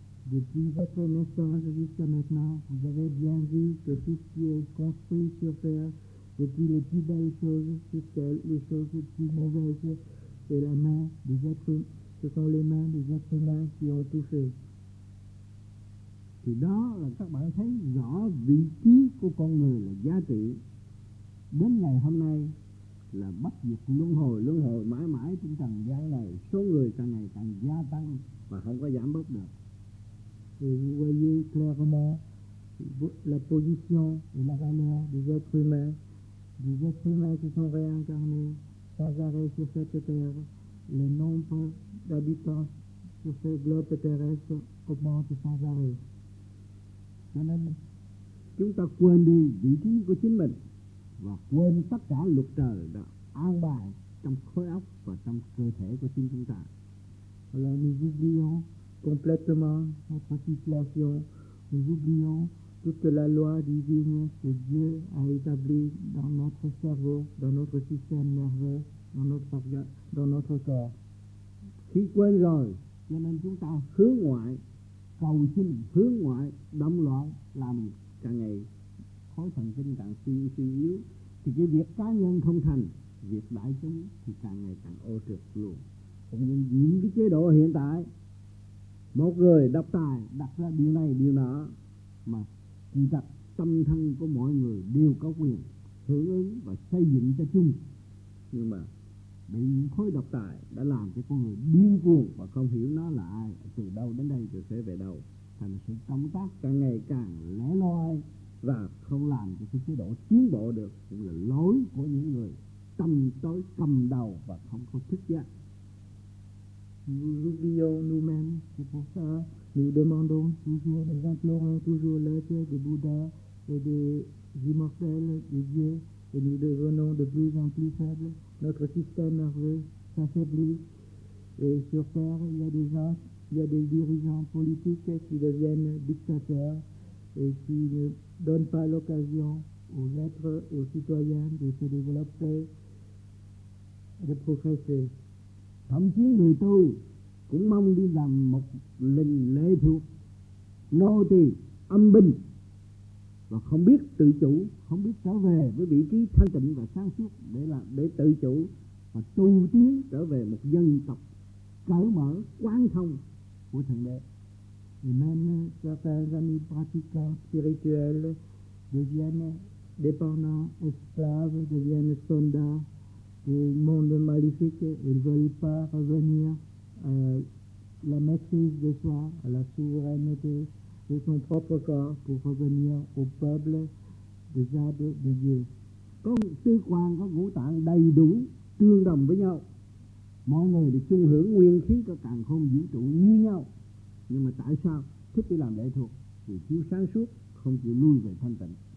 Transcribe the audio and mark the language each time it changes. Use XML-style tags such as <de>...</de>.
<fr>Depuis votre naissance jusqu'à maintenant, vous avez bien vu que tout ce qui est construit sur terre, depuis les plus belles choses jusqu'à les choses les plus mauvaises, c'est la main des êtres, ce sont les mains des êtres humains qui ont touché.</fr> <vi>Thì đó là các bạn thấy rõ vị trí của con người là giá trị. Đến ngày hôm nay là bất diệt luân hồi mãi mãi trên trần gian này, số người càng ngày càng gia tăng và không có giảm bớt được.</vi> <fr>Et vous voyez clairement la position et la valeur des êtres humains qui sont réincarnés sans arrêt sur cette terre. Le nombre d'habitants sur ce globe terrestre augmente sans arrêt.</fr> <vi>Cho nên, chúng ta quên đi vị trí của chính mình và quên tất cả luật trời đã an bài trong khối óc và trong cơ thể của chính chúng ta.</vi> <fr>Alors nous oublions complètement notre situation. Nous oublions toute la loi divine que Dieu a établie dans notre cerveau, dans notre système nerveux, dans notre organe, dans notre corps.</fr> <vi>Khi quên rồi, cho nên chúng ta hướng ngoại, cầu xin hướng ngoại, động loạn, làm càng ngày khối thần kinh càng suy yếu, thì cái việc cá nhân không thành, việc đại chúng thì càng ngày càng ô trực luôn. Cũng như những cái chế độ hiện tại, một người độc tài đặt ra điều này điều nọ, mà kỳ thật tâm thân của mọi người đều có quyền hưởng ứng và xây dựng cho chung, nhưng mà bị khối độc tài đã làm cho con người điên cuồng và không hiểu nó là ai, từ đâu đến đây rồi sẽ về đâu, thành sự công tác càng ngày càng lẻ loi và không làm cho cái chế độ tiến bộ được, cũng là lối của những người tâm tối cầm đầu và không có thức giác.</vi> <fr>Nous oublions nous-mêmes, c'est pour ça nous demandons toujours, nous implorons toujours l'aide des Bouddhas et des immortels, des dieux, et nous devenons de plus en plus faibles. Notre système nerveux s'affaiblit, et sur terre, il y a des gens, il y a des dirigeants politiques qui deviennent dictateurs et qui ne donnent pas l'occasion aux êtres, aux citoyens de se développer, de progresser.</fr> <vi>Thậm chí người tôi cũng mong đi làm một linh lệ thuộc, nô tỳ, âm binh và không biết tự chủ, không biết trở về với vị trí thanh tịnh và sáng suốt để làm, để tự chủ và tu tiến trở về một dân tộc cởi mở, quán thông của thượng đế.</vi> <fr>Et même certains amis pratiquants spirituels deviennent dépendants, esclaves, deviennent soldats du monde maléfique, ils ne veulent pas revenir à la maîtrise de soi, à la souveraineté de son propre corps pour revenir au peuple des âmes de Dieu.</fr> <vi>Con tư quan có ngũ tạng đầy đủ tương đồng với nhau, mọi người được chung hưởng nguyên khí của càn khôn vũ trụ như nhau, nhưng mà tại sao thích đi làm lệ thuộc vì thiếu sáng suốt, không chịu lui về thanh tịnh?</vi>